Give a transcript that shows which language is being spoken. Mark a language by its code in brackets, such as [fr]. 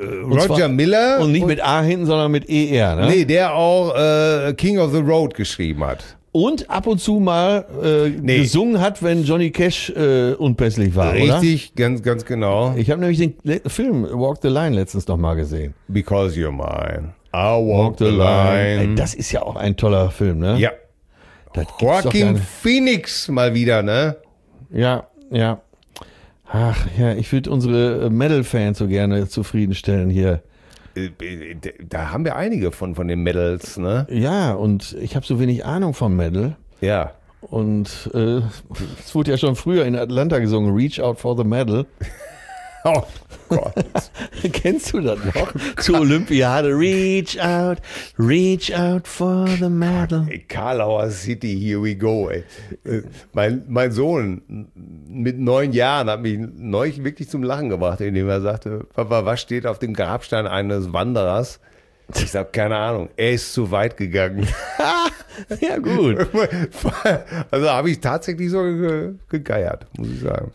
[de] Roger Miller. Und nicht mit A hinten, sondern mit ER. Ne? Nee, der auch King of the Road geschrieben hat. Und ab und zu mal gesungen hat, wenn Johnny Cash unpässlich war, richtig, oder? Richtig, ganz genau. Ich habe nämlich den Film Walk the Line letztens noch mal gesehen. [en] Because you're mine, I walk the line. [de] Ey, das ist ja auch ein toller Film, ne? Ja. Das Joaquin Phoenix mal wieder, ne? Ja, ja. Ach ja, ich würde unsere Metal-Fans so gerne zufriedenstellen hier. Da haben wir einige von den Metals, ne? Ja, und ich habe so wenig Ahnung vom Metal. Ja. Und es wurde ja schon früher in Atlanta gesungen, Reach Out for the Metal. Oh Gott. Kennst du das noch? Zur Olympiade, [en] reach out for the medal. Hey, Karlauer City, here we go. [de] Ey. Mein Sohn mit 9 Jahren hat mich neulich wirklich zum Lachen gebracht, indem er sagte, Papa, was steht auf dem Grabstein eines Wanderers? Ich sag, keine Ahnung, er ist zu weit gegangen. Ja, gut. Also habe ich tatsächlich so gegeiert, muss ich sagen.